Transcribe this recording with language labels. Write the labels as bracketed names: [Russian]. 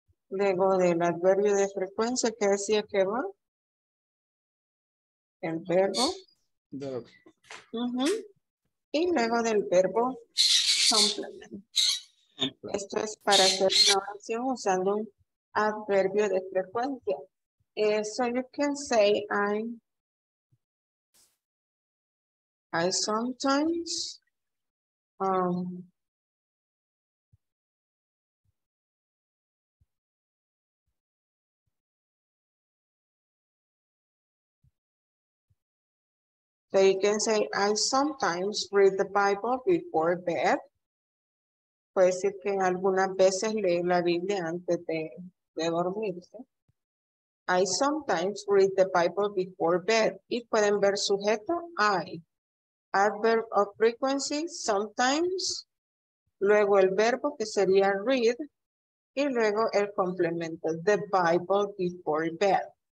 [Spanish] Luego del adverbio de frecuencia, ¿qué decía que va? El verbo. Y luego del verbo complement. Esto es para hacer una oración usando un adverbio de frecuencia. [English] So you can say I sometimes so you can say, I sometimes read the Bible before bed. [Spanish] Puede decir que algunas veces leo la Biblia antes de dormirse. [English] I sometimes read the Bible before bed. [Spanish] Y pueden ver sujeto, [English] I. Adverb of frequency, sometimes, [Spanish] luego el verbo que sería read, y luego el complemento, [English] the Bible before bed.